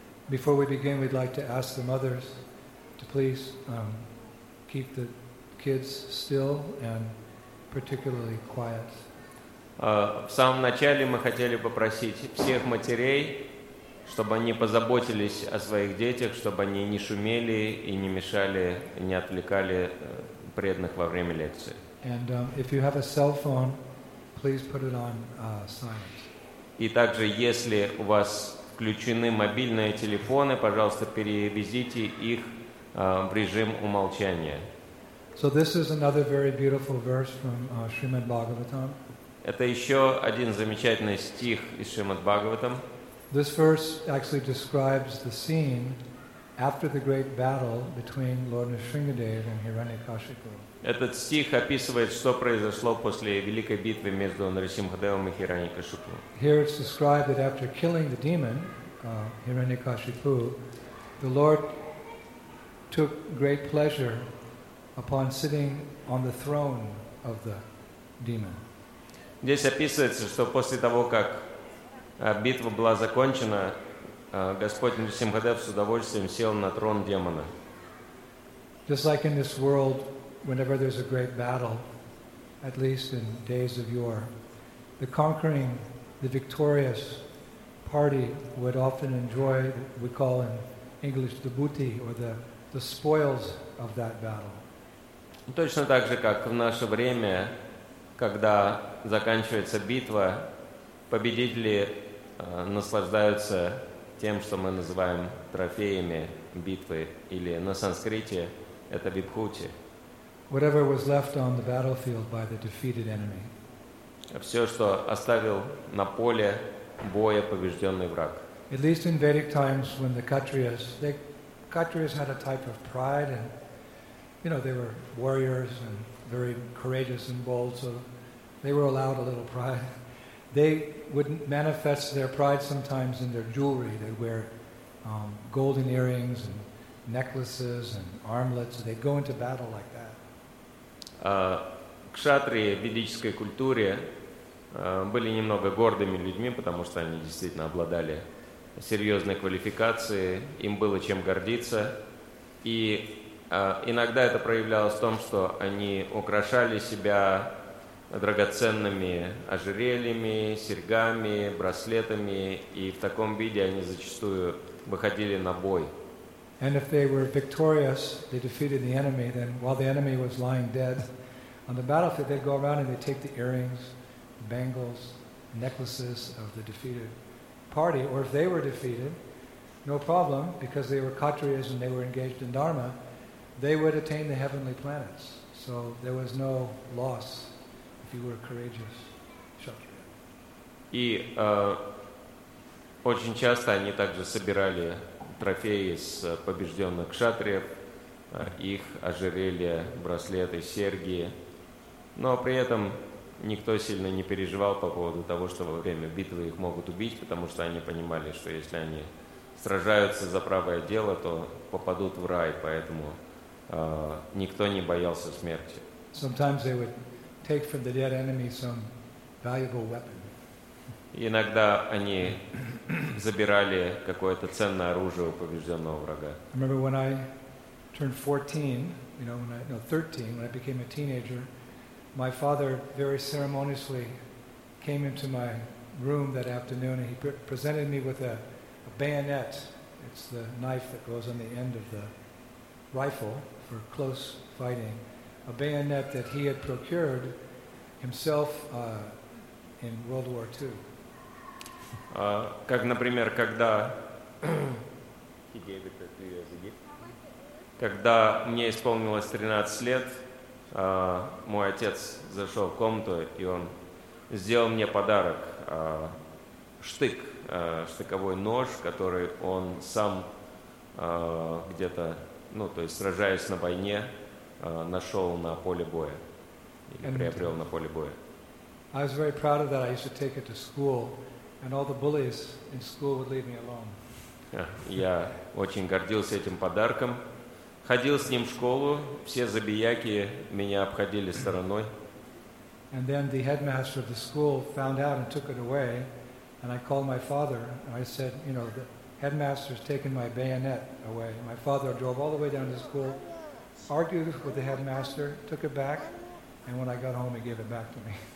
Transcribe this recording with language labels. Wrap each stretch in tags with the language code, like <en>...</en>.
<en>Before we begin, we'd like to ask the mothers to please keep the kids still and particularly quiet.</en> <ru>В самом начале мы хотели попросить всех матерей, чтобы они позаботились о своих детях, чтобы они не шумели и не мешали, и не отвлекали преданных во время лекции.</ru> <en>And if you have a cell phone, please put it on silent.</en> <ru>И также, если у вас включены мобильные телефоны, пожалуйста, перевезите их в режим умолчания.</ru> <en>So this is another very beautiful verse from Srimad Bhagavatam.</en> <ru>Это еще один замечательный стих из Шримад Бхагаватам.</ru> <en>This verse actually describes the scene after the great battle between Lord Nrisimhadev and Hiranyakashipu.</en> <ru>Этот стих описывает, что произошло после великой битвы между Нарисимхадевом и Хираньякашипу.</ru> <en>Here it's described that after killing the demon, Hiranyakashipu, the Lord took great pleasure upon sitting on the throne of the demon.</en> <ru>Здесь описывается, что после того, как битва была закончена, Господь Нарисимхадев с удовольствием сел на трон демона.</ru> <en>Just like in this world, whenever there's a great battle, at least in days of yore, the conquering, the victorious party would often enjoy, we call in English, the booty, or the spoils of that battle.</en> <ru>Точно так же, как в наше время, когда заканчивается битва, победители наслаждаются тем, что мы называем трофеями битвы, или на санскрите это вибхути.</ru> <en>Whatever was left on the battlefield by the defeated enemy.</en> <ru>Все, что оставил на поле боя побежденный враг.</ru> <en>At least in Vedic times, when the Kshatriyas had a type of pride, and you know they were warriors and very courageous and bold, so they were allowed a little pride. They would manifest their pride sometimes in their jewelry. They'd wear golden earrings and necklaces and armlets. They'd go into battle like that.</en> <ru>Кшатрии в ведической культуре были немного гордыми людьми, потому что они действительно обладали серьезной квалификацией, им было чем гордиться. И иногда это проявлялось в том, что они украшали себя драгоценными ожерельями, серьгами, браслетами, и в таком виде они зачастую выходили на бой.</ru> <en>And if they were victorious, they defeated the enemy, then while the enemy was lying dead on the battlefield, they'd go around and they'd take the earrings, bangles, necklaces of the defeated party. Or if they were defeated, no problem, because they were Kshatriyas and they were engaged in Dharma, they would attain the heavenly planets. So there was no loss if you were courageous Kshatriya.</en> <ru>И очень часто они также собирали трофеи с побежденных кшатриев, их ожерелья, браслеты, серьги. Но при этом никто сильно не переживал по поводу того, что во время битвы их могут убить, потому что они понимали, что если они сражаются за правое дело, то попадут в рай, поэтому никто не боялся смерти.</ru> <en>Sometimes they would take from the dead enemy some valuable weapon.</en> <ru>Иногда они забирали какое-то ценное оружие у побежденного врага.</ru> <en>I remember when I turned 14, you know, when I, no, 13, when I became a teenager, my father very ceremoniously came into my room that afternoon, and he presented me with a bayonet. It's the knife that goes on the end of the rifle for close fighting. A bayonet that he had procured himself in World War II.</en> <ru>Как, например, когда...</ru> <en>He gave it to you as a gift.</en> <ru>Когда мне исполнилось 13 лет, мой отец зашел в комнату, и он сделал мне подарок, штык, штыковой нож, который он сам где-то, ну, то есть сражаясь на войне, нашел на поле боя, или</ru> <en>and</en> <ru>приобрел на поле боя.</ru> <en>I was very proud of that. I used to take it to school, and all the bullies in school would leave me alone.</en> <ru>Я очень гордился этим подарком. Ходил с ним в школу, все забияки меня обходили стороной.</ru> <en>And then the headmaster of the school found out and took it away, and I called my father, and I said, you know, the headmaster's taken my bayonet away. My father drove all the way down to school, argued with the headmaster, took it back, and when I got home, he gave it back to me.</en>